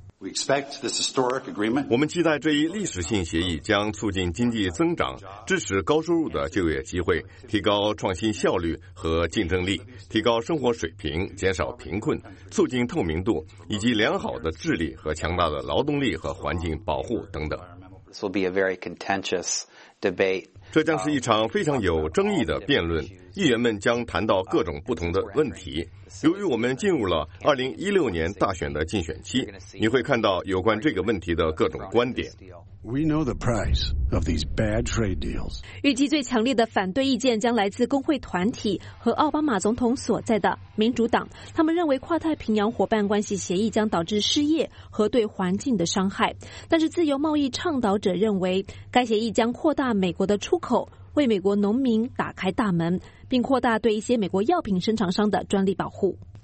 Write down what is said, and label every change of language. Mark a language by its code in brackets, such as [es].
[zh] 我们期待这一历史性协议将促进经济增长，支持高收入的就业机会，提高创新效率和竞争力，提高生活水平，减少贫困，促进透明度，以及良好的治理和强大的劳动力和环境保护等等。 [en] This will be a very contentious debate. [zh] 这将是一场非常有争议的辩论，议员们将谈到各种不同的问题。由于我们进入了2016年大选的竞选期，你会看到有关这个问题的各种观点。 [en] We know the price of these bad trade deals. [zh] 预计最强烈的反对意见将来自工会团体和奥巴马总统所在的民主党。他们认为跨太平洋伙伴关系协议将导致失业和对环境的伤害。但是自由贸易倡导者认为，该协议将扩大美国的出口，为美国农民打开大门，并扩大对一些美国药品生产商的专利保护。